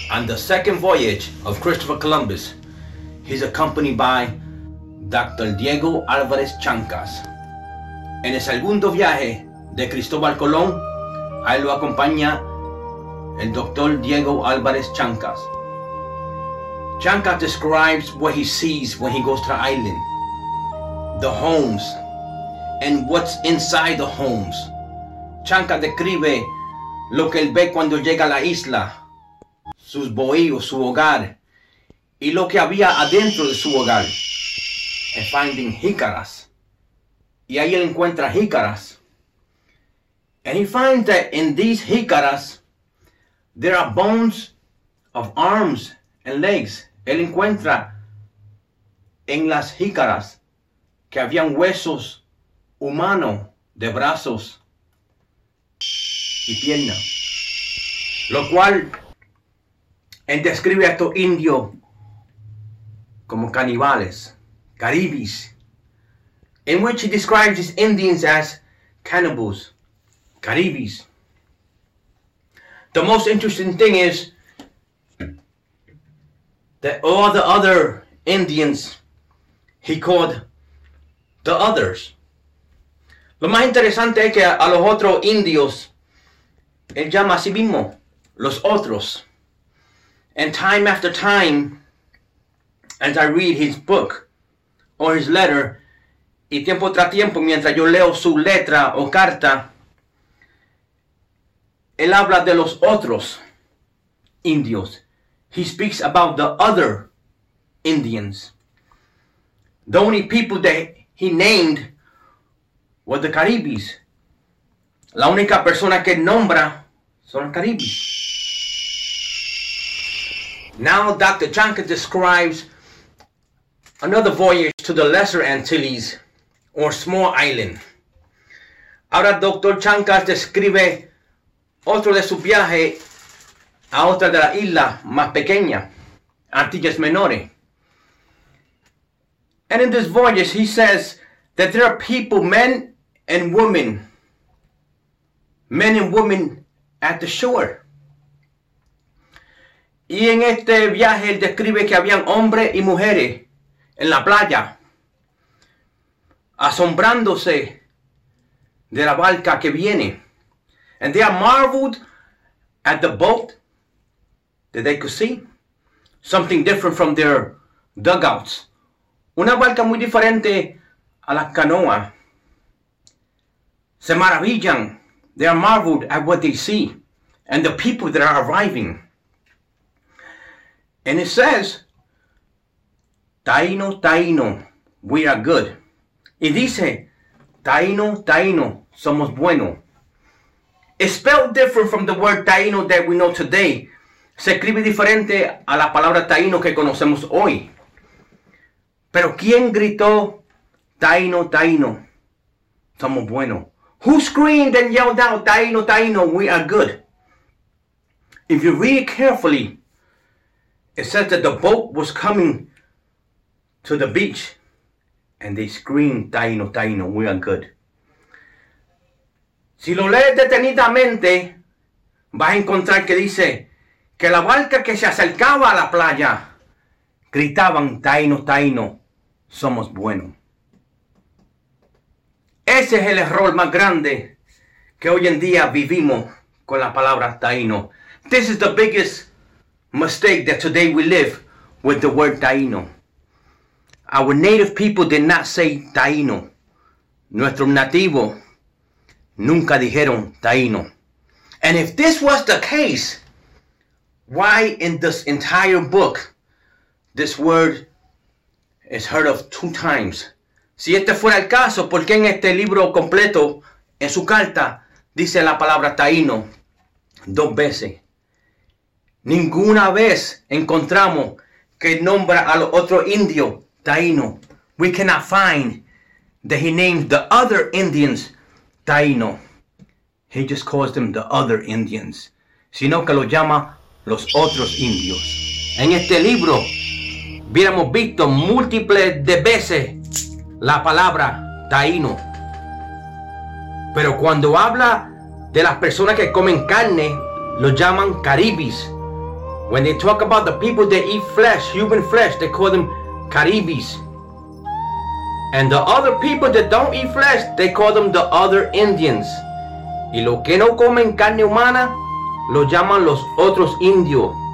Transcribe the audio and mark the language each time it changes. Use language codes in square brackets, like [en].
[en] Second voyage of Christopher Columbus. He's accompanied by Dr. [es] Diego Álvarez Chancas. En el segundo viaje de Cristóbal Colón, ahí lo acompaña el Dr. Diego Álvarez Chancas. [en] Chancas describes what he sees when he goes to the island, the homes, and what's inside the homes. [es] Chancas describe lo que él ve cuando llega a la isla, sus bohíos, su hogar, y lo que había adentro de su hogar. [en] And finding jícaras. [es] Y ahí él encuentra jícaras. [en] And he finds that in these jícaras, there are bones of arms and legs. [es] Él encuentra en las jícaras que habían huesos humanos de brazos y piernas. Lo cual... él describe a estos indios como caníbales, caribis, [en] in which he describes his Indians as cannibals, caribis. The most interesting thing is that all the other Indians he called the others. [es] Lo más interesante es que a los otros indios él llama a sí mismo los otros. [en] And time after time, as I read his book or his letter, [es] y tiempo tras tiempo, mientras yo leo su letra o carta, él habla de los otros indios. [en] He speaks about the other Indians. The only people that he named were the Caribes. [es] La única persona que nombra son los Caribes. [en] Now Dr. Chancas describes another voyage to the Lesser Antilles, or small island. [es] Ahora Dr. Chancas describe otro de su viaje a otra de la isla más pequeña, Antillas Menores. [en] And in this voyage he says that there are people, men and women at the shore. [es] Y en este viaje él describe que habían hombres y mujeres en la playa, asombrándose de la barca que viene. [en] And they are marveled at the boat that they could see. Something different from their dugouts. [es] Una barca muy diferente a la canoa. Se maravillan. [en] They are marveled at what they see and the people that are arriving. And it says, Taino, Taino, we are good. [es] Y dice, Taino, Taino, somos bueno. [en] It's spelled different from the word Taino that we know today. [es] Se escribe diferente a la palabra Taino que conocemos hoy. Pero ¿quién gritó Taino, Taino, somos bueno? [en] Who screamed and yelled out, Taino, Taino, we are good? If you read carefully, it says that the boat was coming to the beach and they screamed, Taino, Taino, we are good. [es] Si lo lees detenidamente, vas a encontrar que dice que la barca que se acercaba a la playa gritaban, Taino, Taino, somos buenos. Ese es el error más grande que hoy en día vivimos con la palabra Taino. [en] This is the biggest mistake that today we live with the word Taino. Our native people did not say Taino. [es] Nuestro nativo nunca dijeron Taino. [en] And if this was the case, why in this entire book this word is heard of 2 times? [es] Si este fuera el caso, ¿por qué en este libro completo, en su carta, dice la palabra Taino 2 veces? Ninguna vez encontramos que nombra al otro indio Taino. [en] We cannot find that he named the other Indians Taino. He just calls them the other Indians. [es] Sino que lo llama los otros indios. En este libro, hubiéramos visto múltiples de veces la palabra Taino. Pero cuando habla de las personas que comen carne, lo llaman Caribes. [en] When they talk about the people that eat flesh, human flesh, they call them Caribes. And the other people that don't eat flesh, they call them the other Indians. [es] Y los que no comen carne humana, lo llaman los otros indios.